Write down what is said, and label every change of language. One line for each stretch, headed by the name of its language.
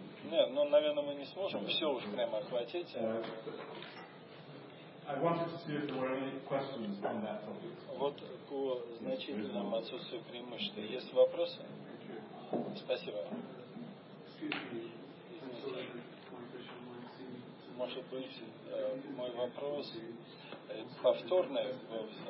Russian: Нет, ну, наверное, мы не сможем все уж прямо охватить.
English: I wanted to see if there were any questions on that topic.
Russian: Вот по значительному отсутствию преимущества. Есть вопросы? Спасибо. Может быть, мой вопрос повторный был.